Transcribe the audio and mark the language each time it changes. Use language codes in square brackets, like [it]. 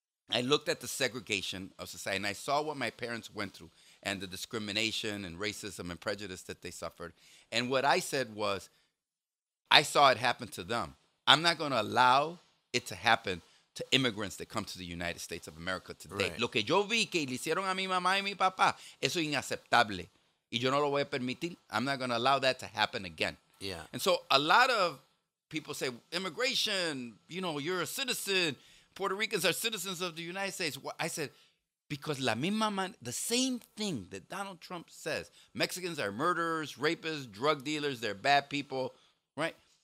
[en] I looked at the segregation of society, and I saw what my parents went through and the discrimination and racism and prejudice that they suffered. And what I said was, I saw it happen to them. I'm not going to allow it to happen to immigrants that come to the United States of America today. Right. [es] Lo que yo vi que le hicieron a mi mamá y mi papá, eso es inaceptable. Y yo no lo voy a permitir. [en] I'm not going to allow that to happen again. Yeah. And so a lot of people say, immigration, you know, you're a citizen. Puerto Ricans are citizens of the United States. Well, I said, because [es] la misma [en] man, the same thing that Donald Trump says, Mexicans are murderers, rapists, drug dealers, they're bad people, right?